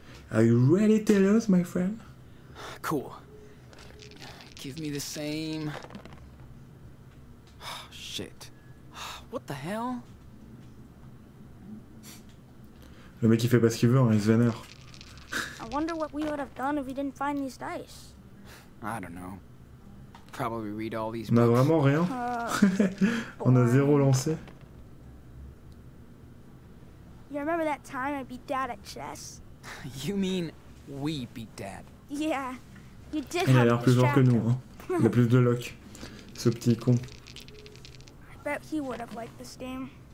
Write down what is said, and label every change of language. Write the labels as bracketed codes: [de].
[en] Are you ready to lose, my friend? Cool. Give me the same. Oh, shit. What the hell? [fr] Le mec il fait pas ce qu'il veut, hein, il se vénère. [en] I wonder what we would have done if we didn't find these dice. I don't know. Probably read all these. [fr] On a vraiment rien. On a zéro lancé. [en] You remember that time I beat Dad at chess? You mean we beat Dad? Yeah, you did. [fr] Il a l'air plus fort que nous, hein. Il a plus de luck, ce petit con. [en] I bet he would have liked this game.